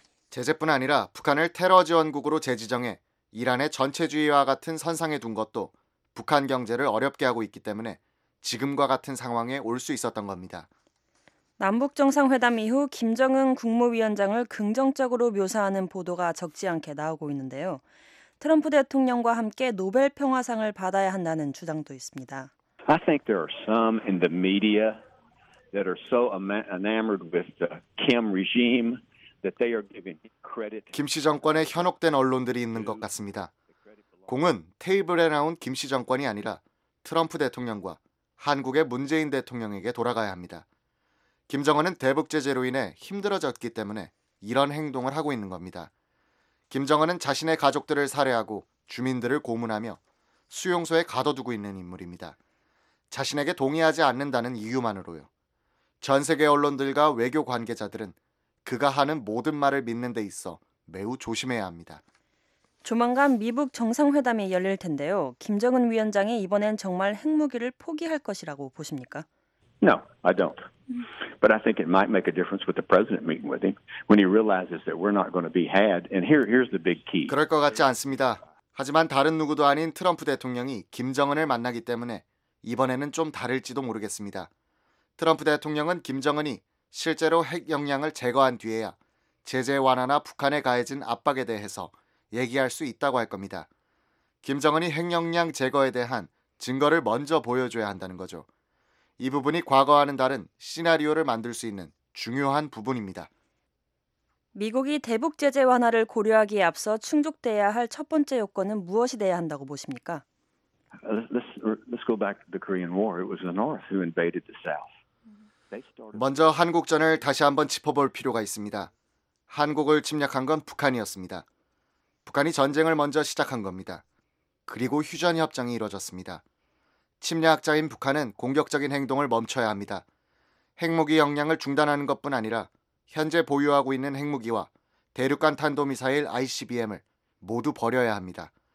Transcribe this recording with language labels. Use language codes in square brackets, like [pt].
[ko] 제재뿐 아니라 북한을 테러 지원국으로 재지정해 이란의 전체주의와 같은 선상에 둔 것도 북한 경제를 어렵게 하고 있기 때문에 지금과 같은 상황에 올 수 있었던 겁니다. 남북정상회담 이후 김정은 국무위원장을 긍정적으로 묘사하는 보도가 적지 않게 나오고 있는데요. 트럼프 대통령과 함께 노벨 평화상을 받아야 한다는 주장도 있습니다. [en] I think there are some in the media that are so enamored with the Kim regime that they are giving credit. [ko] 김 씨 정권에 현혹된 언론들이 있는 것 같습니다. 공은 테이블에 나온 김 씨 정권이 아니라 트럼프 대통령과 한국의 문재인 대통령에게 돌아가야 합니다. 김정은은 대북 제재로 인해 힘들어졌기 때문에 이런 행동을 하고 있는 겁니다. 김정은은 자신의 가족들을 살해하고 주민들을 고문하며 수용소에 가둬두고 있는 인물입니다. 자신에게 동의하지 않는다는 이유만으로요. 전 세계 언론들과 외교 관계자들은 그가 하는 모든 말을 믿는 데 있어 매우 조심해야 합니다. 조만간 미북 정상회담이 열릴 텐데요. 김정은 위원장이 이번엔 정말 핵무기를 포기할 것이라고 보십니까? [en] No, I don't. But I think it might make a difference with the president meeting with him when he realizes that we're not going to be had. And here's the big key. [ko] 그럴 것 같지 않습니다. 하지만 다른 누구도 아닌 트럼프 대통령이 김정은을 만나기 때문에 이번에는 좀 다를지도 모르겠습니다. 트럼프 대통령은 김정은이 실제로 핵 역량을 제거한 뒤에야 제재 완화나 북한에 가해진 압박에 대해서 얘기할 수 있다고 할 겁니다. 김정은이 핵 역량 제거에 대한 증거를 먼저 보여줘야 한다는 거죠. 이 부분이 과거와는 다른 시나리오를 만들 수 있는 중요한 부분입니다. 미국이 대북 제재 완화를 고려하기에 앞서 충족돼야 할 첫 번째 요건은 무엇이 돼야 한다고 보십니까? [en] Let's go back to the Korean War. It was the North who invaded the South. [ko] 먼저 한국전을 다시 한번 짚어볼 필요가 있습니다. 한국을 침략한 건 북한이었습니다. 북한이 전쟁을 먼저 시작한 겁니다. 그리고 휴전협정이 이루어졌습니다. 침략자인 북한은 공격적인 행동을 멈춰야 합니다. 핵무기 역량을 중단하는 것뿐 아니라 현재 보유하고 있는 핵무기와 대륙간 탄도미사일 ICBM을 모두 버려야 합니다.